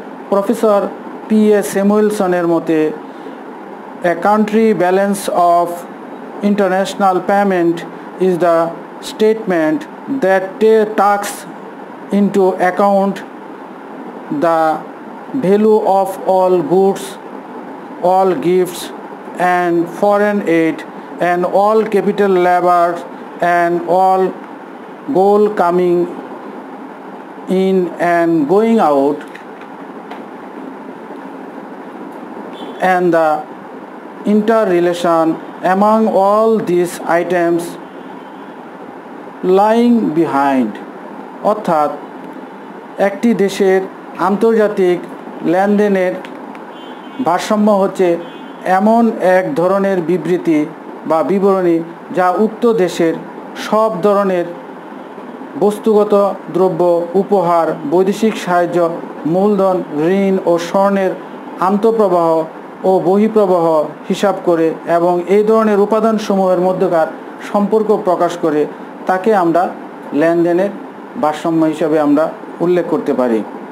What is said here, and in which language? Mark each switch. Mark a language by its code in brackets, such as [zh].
[bn] Professor P A স্যামুয়েলসনের মতে, [en] A country balance of international payment is the statement that takes into account the value of all goods all gifts and foreign aid and all capital labors and all gold coming in and going out and the interrelation among all these items lying behind. [bn] অর্থাৎ একটি দেশের আন্তর্জাতিক লেনদেনের ভারসাম্য হচ্ছে এমন এক ধরনের বিবৃতি বা বিবরণী যা উক্ত দেশের সব ধরনের বস্তুগত দ্রব্য উপহার বৈদেশিক সাহায্য মূলধন ঋণ ও স্বর্ণের আন্তঃপ্রবাহ ও বহিঃপ্রবাহ হিসাব করে এবং এই ধরনের উপাদানসমূহের মধ্যকার সম্পর্ক প্রকাশ করে তাকে আমরা লেনদেনের ভারসাম্য হিসাবে আমরা উল্লেখ করতে পারি।